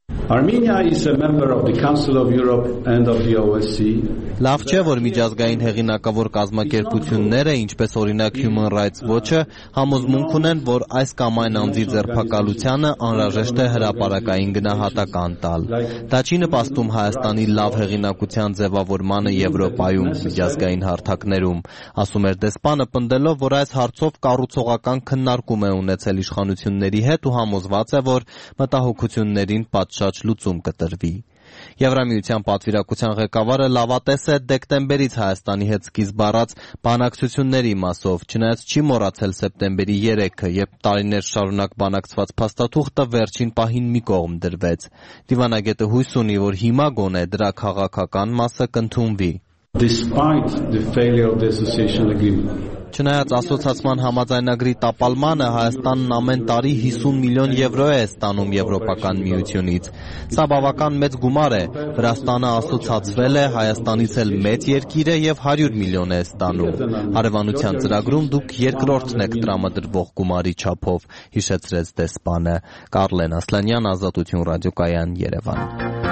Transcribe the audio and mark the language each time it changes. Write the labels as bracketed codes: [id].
[en] Armenia is a member of the Council of Europe and of the OSCE. [hy] Լավ չէ, որ միջազգային հեղինակավոր կազմակերպությունները, ինչպես օրինակ Human Rights Watch-ը, համոզմունք ունեն, որ այս կամ այն անձի ձերբակալությունը անհրաժեշտ է հրապարակային գնահատական տալ։ Դա չի նպաստում Հայաստանի լավ հեղինակության ձևավորմանը Եվրոպայում միջազգային հարթակներում, ասում էր դեսպանը, պնդելով, որ այս հարցով կառուցողական քննարկում է ունեցել իշխանությունների հետ ու համոզված է, որ մտահոգություններին պատշաճ լուծում կտրվի։ Եվրամիության պատվիրակության ղեկավարը լավատես է դեկտեմբերից Հայաստանի հետ սկիզբ առած բանակցությունների մասով, չնայած չի մոռացել սեպտեմբերի 3-ը, երբ տարիներ շարունակ բանակցված փաստաթուղթը վերջին պահին մի կողմ դրվեց։ Դիվանագետը հույս ունի, որ հիմա գոնե դրա քաղաքական մասը կընդունվի։ [en] Despite the failure of the association agreement. [hy] Չնայած ասոցացման համաձայնագրի տապալմանը, Հայաստանն ամեն տարի 50 միլիոն եվրո է ստանում Եվրոպական միությունից։ Սա բավական մեծ գումար է, Վրաստանը ասոցացվել է, Հայաստանից էլ մեծ երկիր է և 100 միլիոն է ստանում։ Հարևանության ծրագրում դուք երկրորդն եք տրամադրվող գումարի չափով, հիշեցրեց դեսպանը։ Կարլեն Ասլանյան, Ազատություն ռադիոկայան, Երևան։